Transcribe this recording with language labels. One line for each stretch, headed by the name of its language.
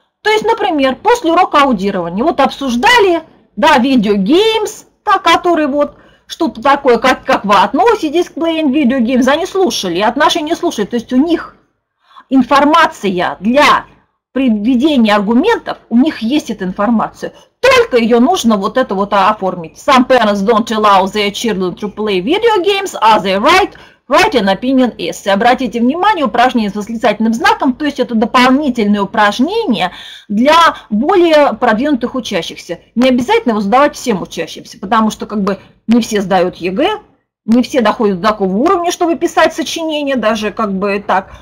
Russian: То есть, например, после урока аудирования, вот обсуждали, да, видеогеймс, да, который вот, что-то такое, как вы относитесь к
English: playing video games,
Russian: они слушали, отношения слушали, то есть у них информация для приведения аргументов, у них есть эта информация. Только ее нужно вот это вот оформить.
English: Some parents don't allow their children to play video games, as they write an opinion essay.
Russian: Обратите внимание, упражнение с восклицательным знаком, то есть это дополнительное упражнение для более продвинутых учащихся. Не обязательно его задавать всем учащимся, потому что как бы не все сдают ЕГЭ, не все доходят до такого уровня, чтобы писать сочинение, даже как бы так.